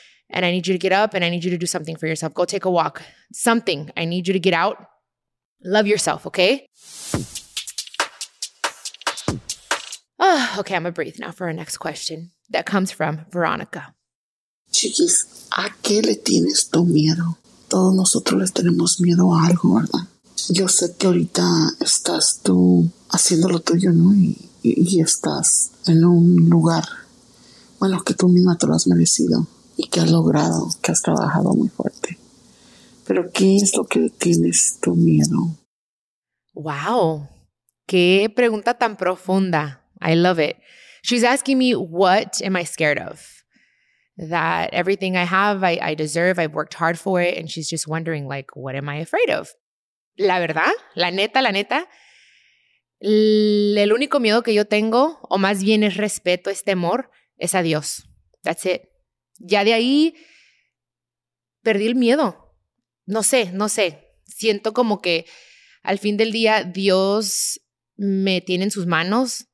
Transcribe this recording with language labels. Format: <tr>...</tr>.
<en>And I need you to get up and I need you to do something for yourself. Go take a walk. Something. I need you to get out. Love yourself, okay? Okay, I'm going to breathe now for our next question that comes from Veronica.</en> <es>Chiquis, ¿a qué le tienes tu miedo? Todos nosotros les tenemos miedo a algo, ¿verdad? Yo sé que ahorita estás tú haciendo lo tuyo, ¿no? Y estás en un lugar, bueno, que tú misma te lo has merecido y que has logrado, que has trabajado muy fuerte. Pero ¿qué es lo que tienes tu miedo? Wow, qué pregunta tan profunda.</es> <en>I love it. She's asking me, what am I scared of? That everything I have, I deserve. I've worked hard for it. And she's just wondering, like, what am I afraid of?</en> <es>La verdad, la neta. El único miedo que yo tengo, o más bien es respeto, es temor, es a Dios.</es> <en>That's it.</en> <es>Ya de ahí, perdí el miedo. No sé. Siento como que al fin del día Dios me tiene en sus manos.</es>